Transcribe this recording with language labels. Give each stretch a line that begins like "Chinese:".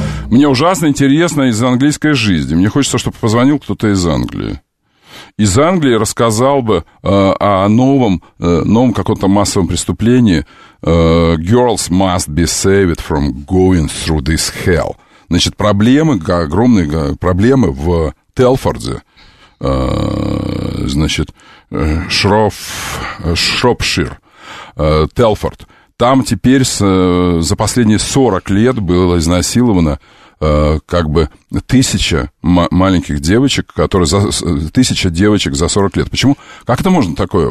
Russian: Мне ужасно интересно из английской жизни. Мне хочется, чтобы позвонил кто-то из Англии. Из Англии рассказал бы о новом каком-то массовом преступлении.
English: Girls must be saved from going through this hell.
Russian: Значит, проблемы, огромные проблемы в Телфорде. Значит, Шропшир, Телфорд. Там теперь за последние 40 лет было изнасиловано как бы тысяча маленьких девочек, которые за, тысяча девочек за 40 лет. Почему? Как это можно такое?